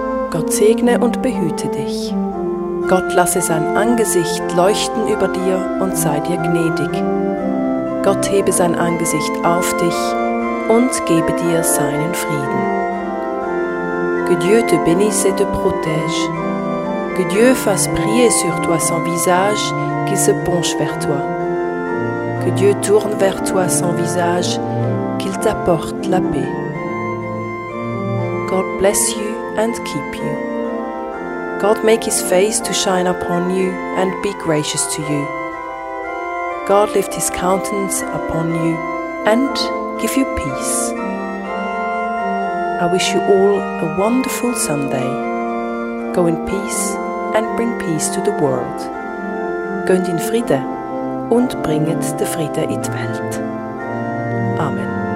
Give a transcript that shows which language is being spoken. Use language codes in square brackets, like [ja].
[de] Gott segne und behüte dich. Gott lasse sein Angesicht leuchten über dir und sei dir gnädig. Gott hebe sein Angesicht auf dich und gebe dir seinen Frieden. [fr] Que Dieu te bénisse et te protège. Que Dieu fasse briller sur toi son visage qui se penche vers toi. Que Dieu tourne vers toi son visage, qu'il t'apporte la paix. [en] God bless you and keep you. God make his face to shine upon you and be gracious to you. God lift his countenance upon you and give you peace. I wish you all a wonderful Sunday. Go in peace and bring peace to the world. [gsw] Gönnt in Friede und bringet de Friede in die Welt. Amen.